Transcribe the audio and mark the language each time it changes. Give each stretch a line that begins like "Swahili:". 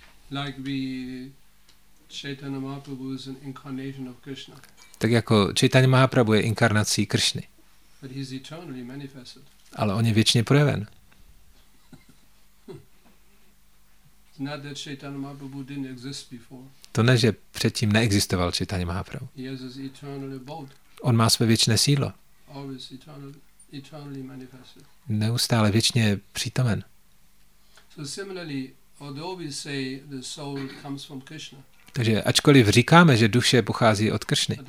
English: Like we Chaitanya Mahaprabhu is an incarnation of Krishna.
Czech: Tak jako Chaitanya Mahaprabhu je inkarnací Kršny.
English: But he is eternally manifested.
Czech: Ale on je věčně projeven.
English: It's not that Chaitanya Mahaprabhu didn't exist before.
Czech: To ne, že předtím neexistoval Chaitanya Mahaprabhu.
English: He has his eternal abode.
Czech: On má své věčné sídlo.
English: Always eternally manifested.
Czech: Neustále věčně přítomen.
English: So similarly, although we say the soul comes from Krishna.
Czech: Takže ačkoliv říkáme, že duše pochází od Kršny.